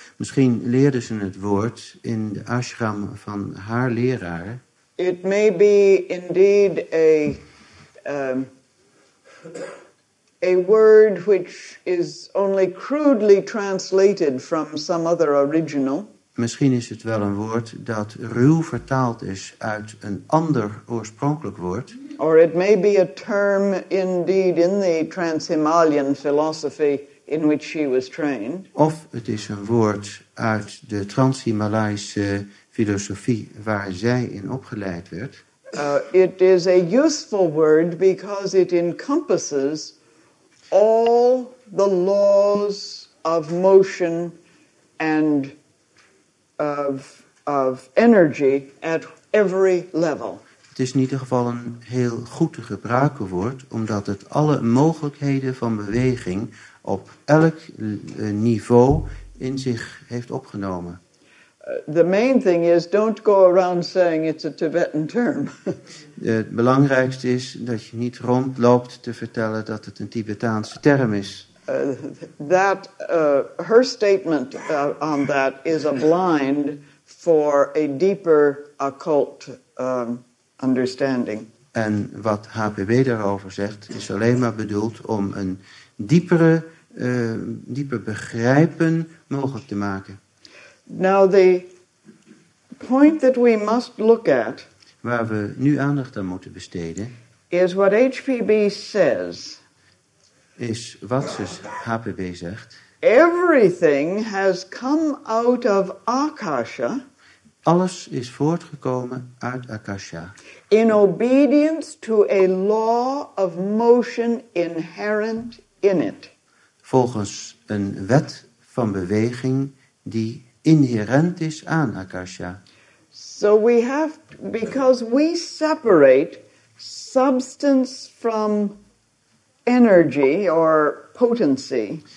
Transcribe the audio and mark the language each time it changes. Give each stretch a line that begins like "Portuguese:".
Dutch: Misschien leerde ze het woord in de ashram van haar leraar.
English: It may be indeed a word which is only crudely translated from some other original.
Dutch: Misschien is het wel een woord dat ruw vertaald is uit een ander oorspronkelijk woord.
English: Or it may be a term indeed in the Trans-Himalayan philosophy in which she was trained.
Dutch: Of het is een woord uit de Trans-Himalayse filosofie waar zij in opgeleid werd.
English: It is a useful word because it encompasses all the laws of motion and of energy at every level.
Dutch: Het is in ieder geval een heel goed te gebruiken woord, omdat het alle mogelijkheden van beweging op elk niveau in zich heeft opgenomen.
English: The main thing is, don't go around saying it's a Tibetan term.
Dutch: Het belangrijkste is dat je niet rondloopt te vertellen dat het een Tibetaanse term is.
English: Her statement on that is a blind for a deeper occult understanding.
Dutch: En wat HPB daarover zegt, is alleen maar bedoeld om een dieper begrijpen mogelijk te maken.
English: Now the point that we must look at,
Dutch: waar we nu aandacht aan moeten besteden,
English: is what HPB says.
Dutch: Is wat ze HPB zegt.
English: Everything has come out of Akasha.
Dutch: Alles is voortgekomen uit Akasha.
English: In obedience to a law of motion inherent in it.
Dutch: Volgens een wet van beweging die inherent is aan Akasha.
English: So we have, because we separate substance from energy or potency.